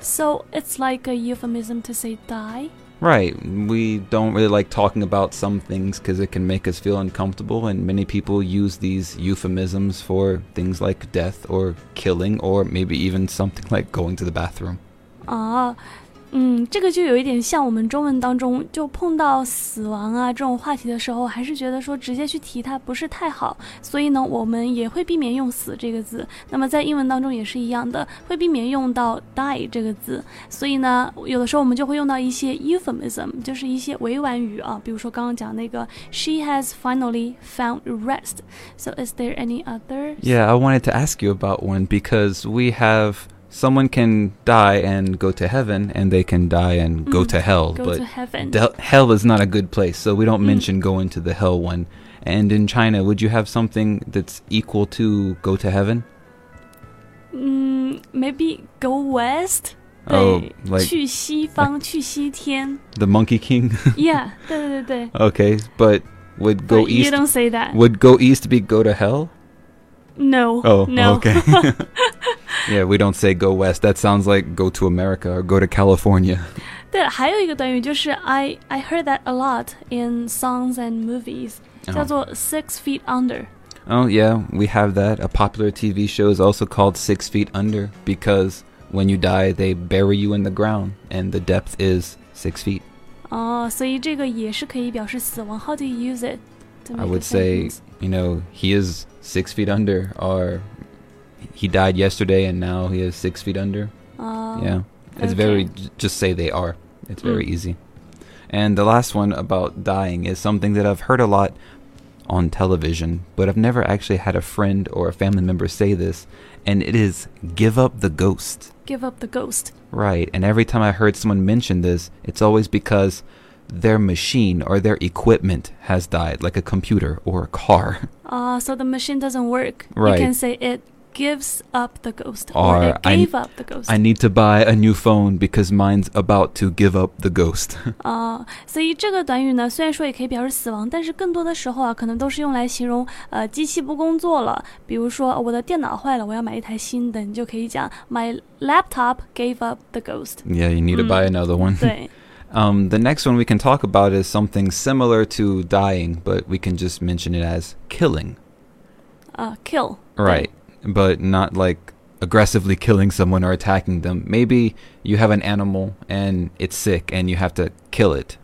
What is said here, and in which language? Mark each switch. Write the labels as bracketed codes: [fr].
[en] So it's like a euphemism to say die. Right, we don't really like talking about some things because it can make us feel uncomfortable, and many people use these euphemisms for things like death or killing or maybe even something like going to the bathroom. [zh] 这个就有一点像我们中文当中就碰到死亡啊这种话题的时候，还是觉得说直接去提它不是太好，所以呢我们也会避免用死这个字。那么在英文当中也是一样的，会避免用到 die 这个字，所以呢有的时候我们就会用到一些 euphemism， 就是一些委婉语啊，比如说刚刚讲那个 [en] she has finally found rest. So is there any other? Yeah, I wanted to ask you about one because we haveSomeone can die and go to heaven, and they can die and go to hell. Hell is not a good place, so we don't mention going to the hell one. And in China, would you have something that's equal to go to heaven? Maybe go west? Oh, like... [zh] 去西方,去西天。 [en] The Monkey King? Yeah, 对对对。 Okay, but would go but east... You don't say that. Would go east be go to hell? No. Oh, no. Okay. Yeah, we don't say go west. That sounds like go to America or go to California. [zh] 对，还有一个短语就是 [en] I heard that a lot in songs and movies. [zh] 叫做 Six Feet Under. [en] Oh, yeah, we have that. A popular TV show is also called Six Feet Under because when you die, they bury you in the ground and the depth is 6 feet. [zh] 哦，所以这个也是可以表示死亡。 [en] How do you use it? I would say, you know, he is 6 feet under or... He died yesterday and now he is 6 feet under. It's very, just say they are. It's very easy. And the last one about dying is something that I've heard a lot on television, but I've never actually had a friend or a family member say this, and it is give up the ghost. Give up the ghost. Right, and every time I heard someone mention this, it's always because their machine or their equipment has died, like a computer or a car. So the machine doesn't work. Right. You can say it. Gives up the ghost. Up the ghost. I need to buy a new phone because mine's about to give up the ghost. [zh] 所以这个短语呢，虽然说也可以表示死亡，但是更多的时候啊，可能都是用来形容机器不工作了。比如说我的电脑坏了，我要买一台新的，你就可以讲 [en] My laptop gave up the ghost. Yeah, you need to buy another one. [zh] 对。 [en] The next one we can talk about is something similar to dying, but we can just mention it as killing. Kill. Right. But not like aggressively killing someone or attacking them. Maybe you have an animal and it's sick and you have to kill it.